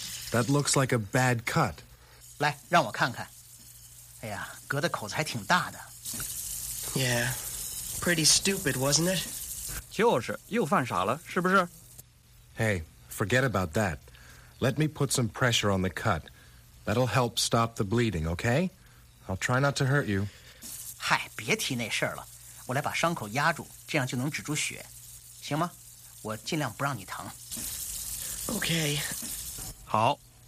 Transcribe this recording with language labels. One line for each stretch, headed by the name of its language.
English: That looks like a bad cut.
Chinese: 来，让我看看。哎呀，割的口子还挺大的。
English: Yeah, pretty stupid, wasn't it?
Chinese: 就是，又犯傻了，是不是
English: ？Hey, forget about that. Let me put some pressure on the cut. That'll help stop the bleeding, okay? I'll try not to hurt you.
Chinese: 嗨，别提那事儿了。我来把伤口压住，这样就能止住血，行吗？我尽量不让你疼。
English: OK。
Chinese: 好。